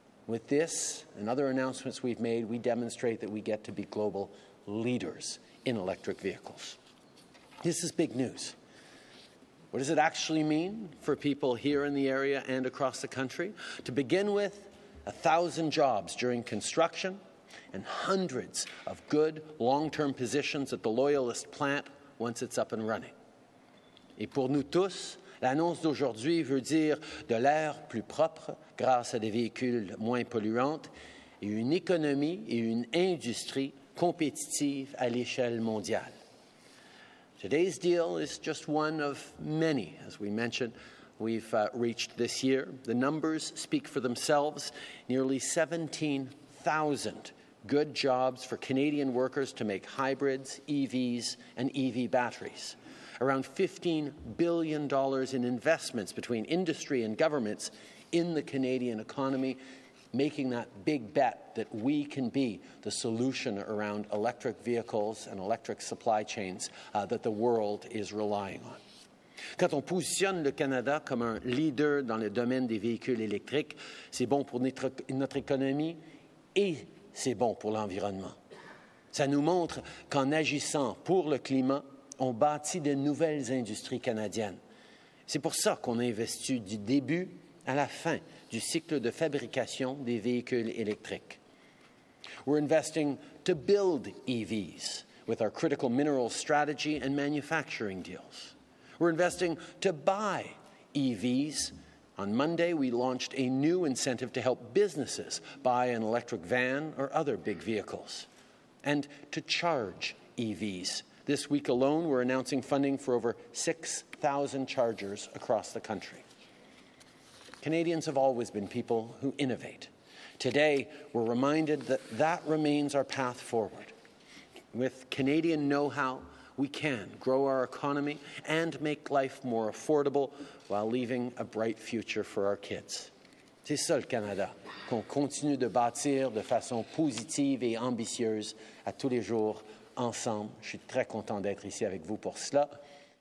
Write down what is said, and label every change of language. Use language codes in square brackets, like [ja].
[en] With this and other announcements we've made, we demonstrate that we get to be global leaders in electric vehicles. This is big news. What does it actually mean for people here in the area and across the country? To begin with, 1,000 jobs during construction and hundreds of good long-term positions at the Loyalist plant once it's up and running. [fr] Et pour nous tous, l'annonce d'aujourd'hui veut dire de l'air plus propre grâce à des véhicules moins polluants et une économie et une industrie compétitive à l'échelle mondiale. [en] Today's deal is just one of many, as we mentioned, we've reached this year. The numbers speak for themselves. Nearly 17,000 good jobs for Canadian workers to make hybrids, EVs, and EV batteries. Around $15 billion in investments between industry and governments in the Canadian economy, making that big bet that we can be the solution around electric vehicles and electric supply chains that the world is relying on. [fr] Quand on positionne le Canada comme un leader dans le domaine des véhicules électriques, c'est bon pour notre économie et c'est bon pour l'environnement. Ça nous montre qu'en agissant pour le climat, on bâtit de nouvelles industries canadiennes. C'est pour ça qu'on investit du début à la fin du cycle de fabrication des véhicules électriques. [en] We're investing to build EVs with our critical minerals strategy and manufacturing deals. We're investing to buy EVs. On Monday, we launched a new incentive to help businesses buy an electric van or other big vehicles. And to charge EVs. This week alone, we're announcing funding for over 6,000 chargers across the country. Canadians have always been people who innovate. Today, we're reminded that that remains our path forward. With Canadian know-how, we can grow our economy and make life more affordable while leaving a bright future for our kids. [fr] C'est ça, le Canada, qu'on continue de bâtir de façon positive et ambitieuse à tous les jours, ensemble. Je suis très content d'être ici avec vous pour cela.